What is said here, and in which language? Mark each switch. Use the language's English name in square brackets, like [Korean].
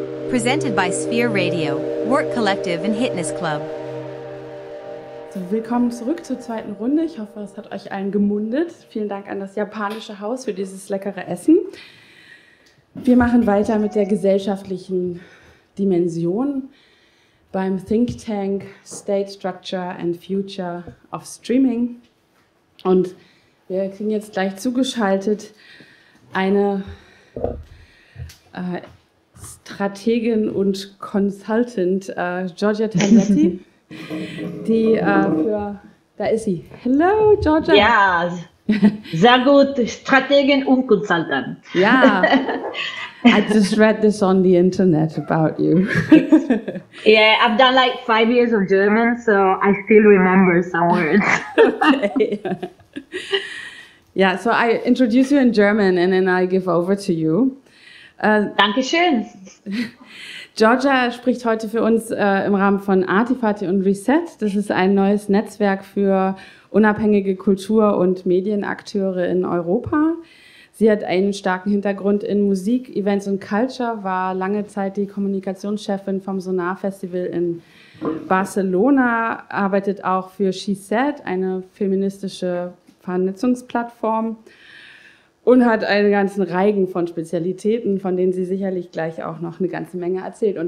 [English] Presented by Sphere Radio, Work Collective and Hitness Club. [German] So, willkommen zurück zur zweiten Runde. Ich hoffe, es hat euch allen gemundet. Vielen Dank an das japanische Haus für dieses leckere Essen. Wir machen weiter mit der gesellschaftlichen Dimension beim ThinkTank State Structure and Future of Streaming. Und wir kriegen jetzt gleich zugeschaltet eine Strategin und Consultant, Georgia Tanzetti, die für, da ist sie. [English] Hello, Georgia. [German] Ja, sehr gut, Strategin und Consultant. [English] Ja, I just read this on the internet about you. Yeah, I've done like 5 years of German, so I still remember some words. Okay. Yeah, so I introduce you in German and then I give over to you. [German] Dankeschön. Georgia spricht heute für uns im Rahmen von Arty Farty und Reset. Das ist ein neues Netzwerk für unabhängige Kultur- und Medienakteure in Europa. Sie hat einen starken Hintergrund in Musik, Events und Culture, war lange Zeit die Kommunikationschefin vom Sonar Festival in Barcelona, arbeitet auch für She Said, eine feministische Vernetzungsplattform, und hat einen ganzen Reigen von Spezialitäten, von denen sie sicherlich gleich auch noch eine ganze Menge erzählt.